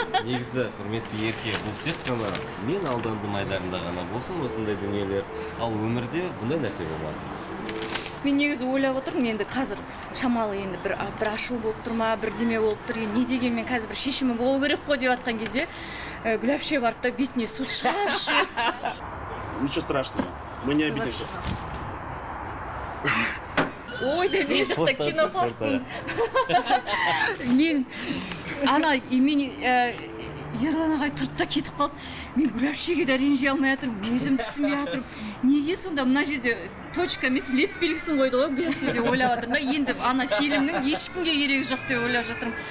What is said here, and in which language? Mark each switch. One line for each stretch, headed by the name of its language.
Kazakh: Негізі құрметті Ерке, бұл тек қана мен алдандым айдарында ғана болсын осындай дүниелер, ал өмірде бұндай нәрсе болмасын. Мен негізі ойлап отырмын, енді қазір шамалы енді бір ашу болып тұр ма, бірдеме болып тұр, не деген мен қазір бір шешімі болу керек қой деп жатқан кезде Гүләпше барды да бетіне су шашты.
Russian: Ничего страшного, мы не обидимся.
Kazakh: Ой, да мен жақта кино қалдым. Мен ана мен Ерлан ағай тұрып та кетіп қалды. Мен Гүләпшеге де ренжи алмай отырып, өзім түсінбей отырып, неге сонда мына жерде точка емес леп белгісін қойды ғой Гүләпшеде ойлап отырмын да, енді ана фильмнің ешкімге керегі жоқ деп ойлап жатырмын.